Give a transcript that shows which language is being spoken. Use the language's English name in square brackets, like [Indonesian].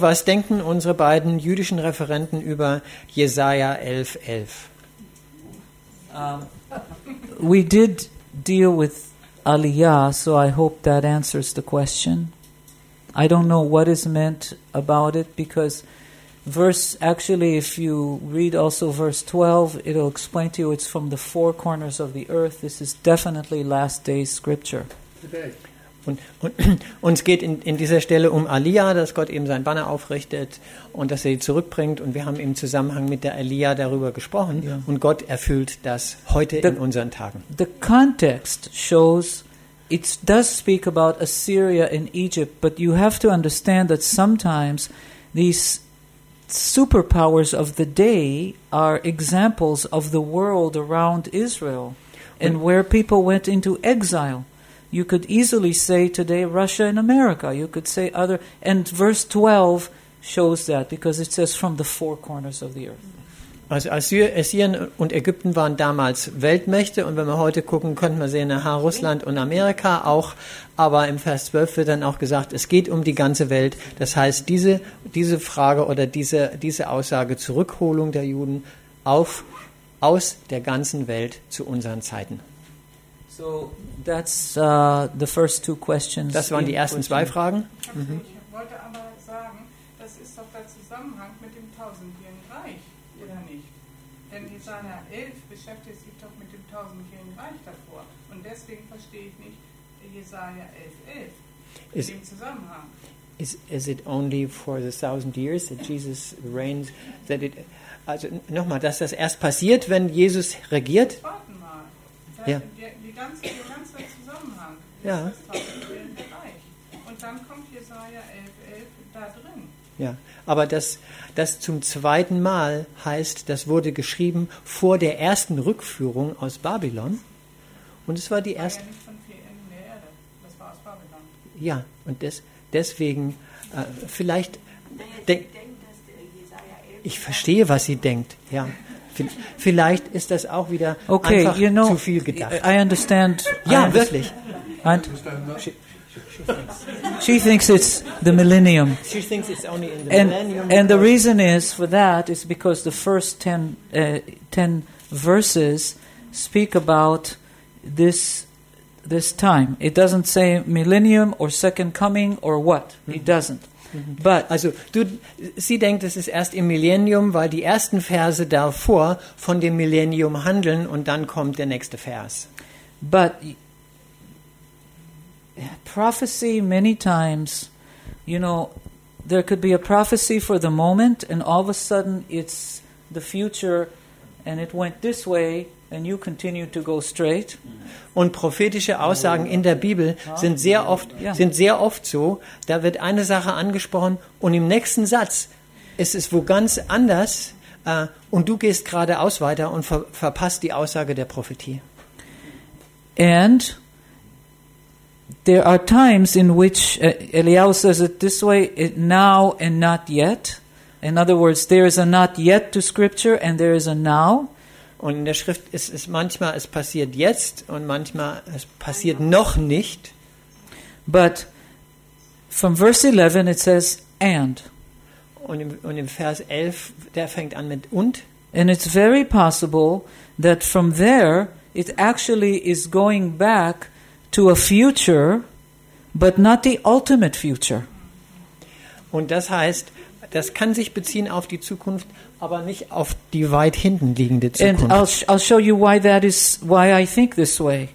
[German] Was denken unsere beiden jüdischen Referenten über Jesaja 11, 11? [English] We did deal with Aliyah, so I hope that answers the question. I don't know what is meant about it, because... if you read also verse 12, it'll explain to you it's from the four corners of the earth. This is definitely last day's scripture. [German] Und uns geht in dieser Stelle um Aliyah, dass Gott eben sein Banner aufrichtet und dass er sie zurückbringt. Und wir haben im Zusammenhang mit der Aliyah darüber gesprochen. Yeah. Und Gott erfüllt das heute in unseren Tagen. [English] The context shows it does speak about Assyria and Egypt, but you have to understand that sometimes these superpowers of the day are examples of the world around Israel and where people went into exile. You could easily say today Russia and America. You could say other. And verse 12 shows that because it says from the four corners of the earth. [German] Also Assyrien und Ägypten waren damals Weltmächte und wenn wir heute gucken, könnte man sehen, aha, Russland und Amerika auch, aber im Vers 12 wird dann auch gesagt, es geht um die ganze Welt. Das heißt, diese Frage oder diese Aussage, Zurückholung der Juden aus der ganzen Welt zu unseren Zeiten. [English] So that's the first two questions. [German] Das waren die ersten zwei Fragen. Ich wollte aber sagen, das ist doch der Zusammenhang mit dem tausendjährigen Reich, oder nicht? Denn Jesaja 11 beschäftigt sich doch mit dem tausendjährigen Reich davor. Und deswegen verstehe ich nicht Jesaja 11:11 in dem Zusammenhang. [English] Is it only for the thousand years that Jesus reigns? That it, [German] also nochmal, dass das erst passiert, wenn Jesus regiert? Warten mal. Ja. Der ganze Zusammenhang ist ja. Das und dann kommt Jesaja 11:11 da drin. Ja, aber das zum zweiten Mal heißt, das wurde geschrieben vor der ersten Rückführung aus Babylon. Und es war die erste. Ja, nicht von vier Enden der Erde. Das war aus Babylon. Ja, und deswegen vielleicht. Ich verstehe, was sie denkt. Ja. Vielleicht ist das auch wieder [English] okay, [German] einfach [English] you know, [German] zu viel gedacht. [English] I understand. [German] Ja, wirklich. [English] She thinks it's the millennium. She thinks it's only in the millennium. And the reason is for that is because the first ten verses speak about this time. It doesn't say millennium or second coming or what. Mm-hmm. It doesn't. [German] But also, sie denkt, es ist erst im Millennium, weil die ersten Verse davor von dem Millennium handeln und dann kommt der nächste Vers. [English] But prophecy many times, you know, there could be a prophecy for the moment and all of a sudden it's the future and it went this way and you continue to go straight. [German] Und prophetische Aussagen in der Bibel sind sehr oft so, da wird eine Sache angesprochen und im nächsten Satz ist es wo ganz anders und du gehst geradeaus weiter und verpasst die Aussage der Prophetie. [English] And there are times in which Eliyahu says it this way, it now and not yet. In other words, there is a not yet to scripture and there is a now. [German] Und in der Schrift ist es manchmal, es passiert jetzt und manchmal, es passiert noch nicht. [English] But from verse 11 it says and. [German] Und im Vers 11, der fängt an mit und. [English] And it's very possible that from there it actually is going back to a future, but not the ultimate future. [German] Und das heißt, das kann sich beziehen auf die Zukunft, aber nicht auf die weit hinten liegende Zukunft. [English] And I'll show you why that is, why I think this way.